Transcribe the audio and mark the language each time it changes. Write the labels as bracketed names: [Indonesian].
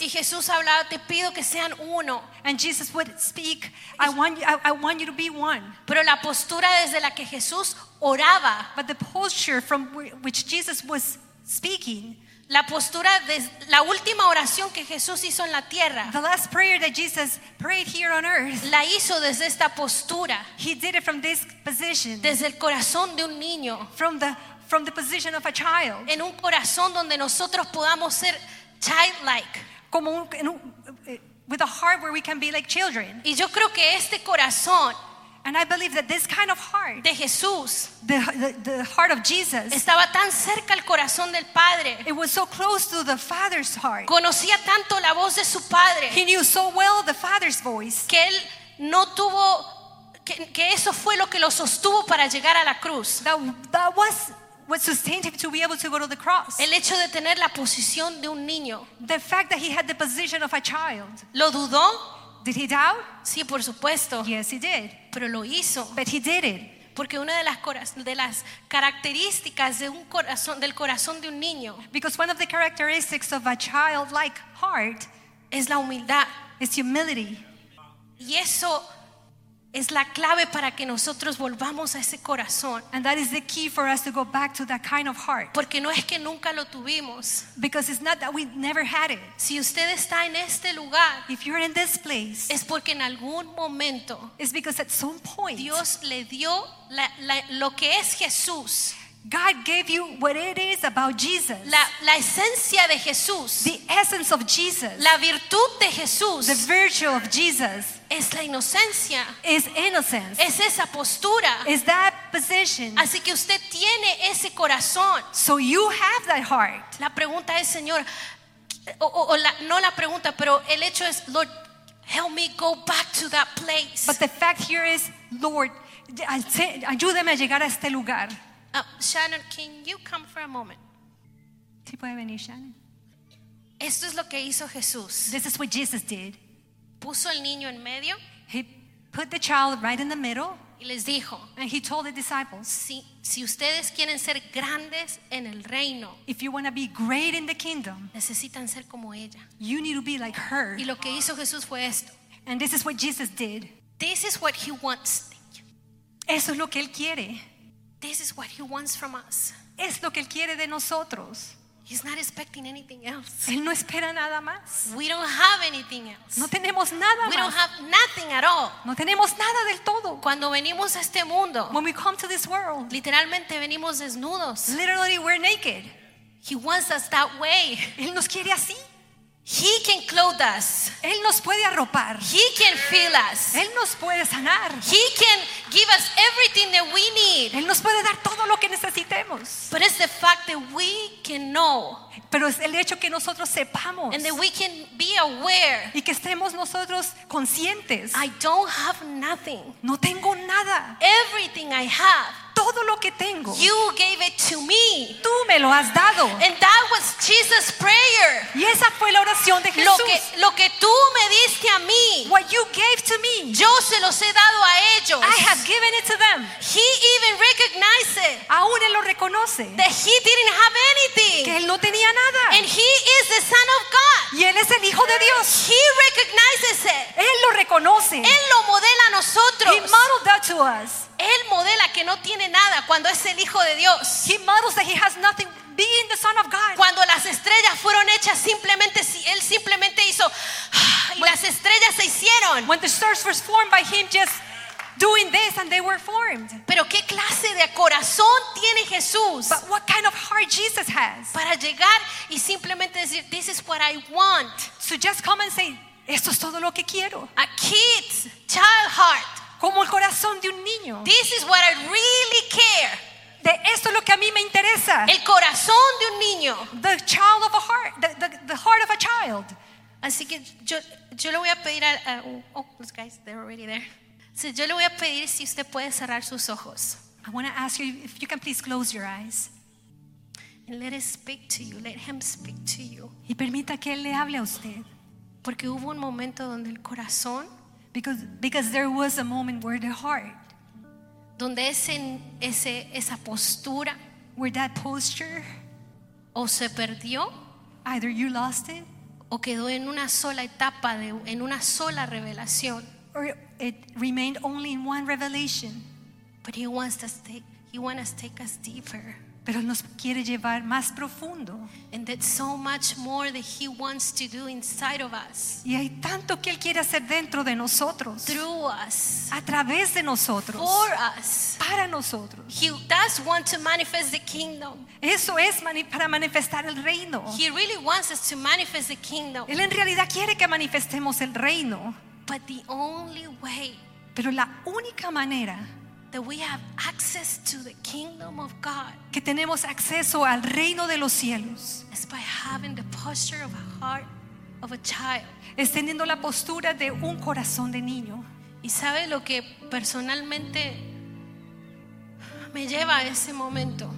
[Spanish] Y Jesús hablaba, te pido que sean uno. [English] And Jesus would speak, I want you to be one. [Spanish] Pero la postura desde la que Jesús oraba. [English] But the posture from which Jesus was speaking. [Spanish] La postura de la última oración que Jesús hizo en la tierra. [English] The last prayer that Jesus prayed here on earth. [Spanish] La hizo desde esta postura. [English] He did it from this position. [Spanish] Desde el corazón de un niño. [English] From the position of a child. [Spanish] En un corazón donde nosotros podamos ser childlike. [English] Como with a heart where we can be like children. [Spanish] Y yo creo que este corazón. [English] And I believe that this kind of heart, [Spanish] de Jesús, [English] the heart of Jesus, [Spanish] estaba tan cerca al corazón del Padre. [English] It was so close to the Father's heart. [Spanish] Conocía tanto la voz de su Padre. [English] He knew so well the Father's voice. [Spanish] Que él no tuvo que eso fue lo que lo sostuvo para llegar a la cruz. [English] That was what sustained him to be able to go to the cross. [Spanish] El hecho de tener la posición de un niño. [English] The fact that he had the position of a child. [Spanish] ¿Lo dudó? [English] Did he doubt? [Spanish] Sí, por supuesto. [English] Yes, he did. [Spanish] Pero lo hizo. [English] But he did it. [Spanish] Porque una de las características de un corazón, del corazón de un niño. [English] Because one of the characteristics of a childlike heart [Spanish] es la humildad. [English] Is humility. [Spanish] Y eso es la clave para que nosotros volvamos a ese corazón. [English] And that is the key for us to go back to that kind of heart. [Spanish] Porque no es que nunca lo tuvimos. [English] Because it's not that we never had it. [Spanish] Si usted está en este lugar, [English] if you're in this place, [Spanish] es porque en algún momento, [English] it's because at some point, [Spanish] Dios le dio lo que es Jesús. [English] God gave you what it is about Jesus. [Spanish] La esencia de Jesús. [English] The essence of Jesus. [Spanish] La virtud de Jesús. [English] The virtue of Jesus. [Spanish] Es la inocencia. [English] Is innocence. [Spanish] Es esa postura. [English] Is that position. [Spanish] Así que usted tiene ese corazón. [English] So you have that heart. [Spanish] La pregunta es, Señor, no la pregunta, pero el hecho es, [English] Lord, help me go back to that place. But the fact here is, Lord, [Spanish] ayúdeme a llegar a este lugar. [English] Shannon, can you come for a moment? [Spanish] ¿Sí puede venir, Shannon? Esto es lo que hizo Jesús. [English] This is what Jesus did. [Spanish] Puso el niño en medio. [English] He put the child right in the middle. [Spanish] Y les dijo. [English] And he told the disciples. [Spanish] Si ustedes quieren ser grandes en el reino. [English] If you want to be great in the kingdom. [Spanish] Necesitan ser como ella. [English] You need to be like her. [Spanish] Y lo que hizo Jesús fue esto. [English] And this is what Jesus did. This is what he wants. [Spanish] Eso es lo que él quiere. [English] This is what he wants from us. [Spanish] Es lo que él quiere de nosotros. [English] He's not expecting anything else. [Spanish] Él no espera nada más. [English] We don't have anything else. [Spanish] No tenemos nada [English] we We don't have nothing at all. [Spanish] No tenemos nada del todo. Cuando venimos a este mundo, [English] when we come to this world, [Spanish] literalmente venimos desnudos. [English] Literally we're naked. He wants us that way. [Spanish] Él nos quiere así. [English] He can clothe us. [Spanish] Él nos puede arropar. [English] He can fill us. [Spanish] Él nos puede sanar. [English] He can give us everything that we need. [Spanish] Él nos puede dar todo lo que necesitemos. [English] But it's the fact that we can know. [Spanish] Pero es el hecho que nosotros sepamos. [English] And that we can be aware. [Spanish] Y que estemos nosotros conscientes. [English] I don't have nothing. [Spanish] No tengo nada. [English] Everything I have. [Spanish] Todo lo que tengo. [English] You gave it to me. [Spanish] Tú me lo has dado. [English] And that was Jesus' prayer. [Spanish] Y esa fue la oración de Jesús. Lo que tú me diste a mí. [English] What you gave to me. [Spanish] Yo se los he dado a ellos. [English] I have given it to them. He even recognized it. [Spanish] Aún él lo reconoce. [English] That he didn't have anything. [Spanish] Que él no tenía nada. [English] And he is the Son of God. [Spanish] Y él es el Hijo de Dios. [English] He recognizes it. [Spanish] Él lo reconoce. Él lo modela a nosotros. [English] He modeled that to us. [Spanish] Él modela que no tiene nada cuando es el Hijo de Dios. [English] He models that he has nothing being the Son of God. [Spanish] Cuando las estrellas fueron hechas simplemente, él simplemente hizo y las estrellas se hicieron. [English] When the stars were formed by him just doing this and they were formed. [Spanish] Pero qué clase de corazón tiene Jesús. [English] But what kind of heart Jesus has. [Spanish] Para llegar y simplemente decir, [English] this is what I want. So just come and say, [Spanish] esto es todo lo que quiero. [English] A kid's child heart. [Spanish] Como el corazón de un niño. [English] This is what I really care. [Spanish] De esto es lo que a mí me interesa. El corazón de un niño. [English] The child of a heart, the heart of a child. [Spanish] Así que yo le voy a pedir a [English] those guys, they're already there. [Spanish] So yo le voy a pedir si usted puede cerrar sus ojos. [English] I want to ask you if you can please close your eyes. And let it speak to you. Let him speak to you. [Spanish] Y permita que él le hable a usted. Porque hubo un momento donde el corazón. [English] Because there was a moment where the heart, [Spanish] donde esa postura, [English] where that posture, [Spanish] o se perdió, [English] either you lost it, [Spanish] o quedó en una sola etapa de en una sola revelación, [English] or it remained only in one revelation. But he wants to take us deeper. [Spanish] pero nos quiere llevar más profundo. [English] And that so much more that he wants to do inside of us. [Spanish] Y hay tanto que él quiere hacer dentro de nosotros. [English] Through us. [Spanish] A través de nosotros. [English] For us. [Spanish] Para nosotros. [English] He does want to manifest the kingdom. [Spanish] Eso es para manifestar el reino. [English] He really wants us to manifest the kingdom. [Spanish] Él en realidad quiere que manifestemos el reino. [English] But the only way. [Spanish] Pero la única manera. [English] That we have access to the kingdom of God. [Spanish] Que tenemos acceso al reino de los cielos. [English] Is by having the posture of a heart of a child. [Spanish] Es teniendo la postura de un corazón de niño. Y sabe lo que personalmente me lleva a ese momento.